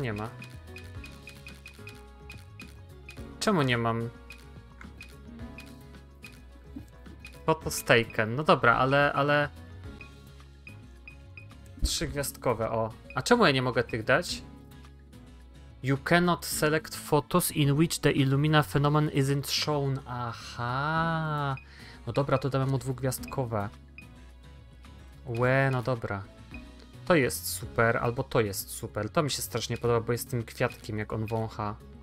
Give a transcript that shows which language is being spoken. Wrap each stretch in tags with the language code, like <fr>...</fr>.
<pl>Nie ma. Czemu nie mam?</pl> <en>Photo staken.</en> <pl>No dobra, ale... Trzy gwiazdkowe, o. A czemu ja nie mogę tych dać?</pl> <en>You cannot select photos in which the Illumina phenomenon isn't shown.</en> <pl>Aha. No dobra, to damy mu dwugwiazdkowe. Łe, no dobra. To jest super, albo to jest super. To mi się strasznie podoba, bo jest tym kwiatkiem, jak on wącha.</pl>